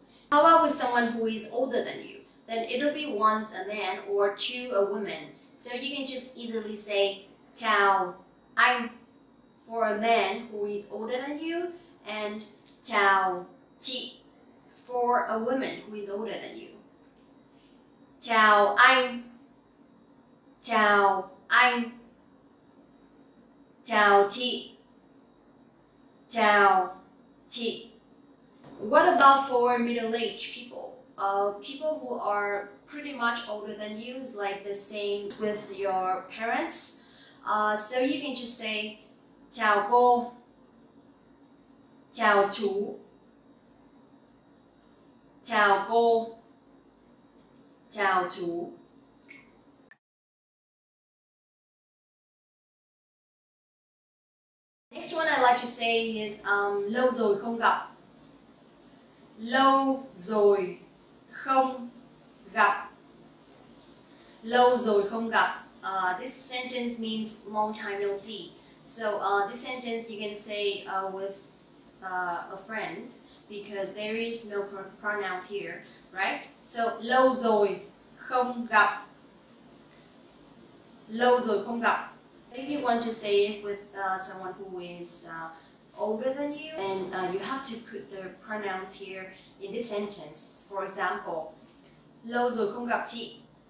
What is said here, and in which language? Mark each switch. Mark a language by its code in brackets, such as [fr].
[en] How about with someone who is older than you? Then it'll be once a man or two a woman. So you can just easily say, [vi] chào anh, [en] for a man who is older than you, and [vi] chào chị, [en] for a woman who is older than you. [vi] Chào anh, chào anh, chào chị, chào chị. [en] What about for middle-aged people? People who are pretty much older than you, is like the same with your parents. So you can just say, [vi] chào cô, chào chú, [en] chào cô, chào chú. Next one I like to say is [vi] lâu rồi không gặp. Lâu rồi không gặp. Lâu rồi không gặp. [en] This sentence means long time no see. So this sentence you can say with a friend, because there is no pronouns here, right? [vi] So lâu rồi không gặp. Lâu rồi không gặp. [en] Maybe you want to say it with someone who is older than you, and you have to put the pronouns here in this sentence. For example, [vi] lâu rồi không gặp chị.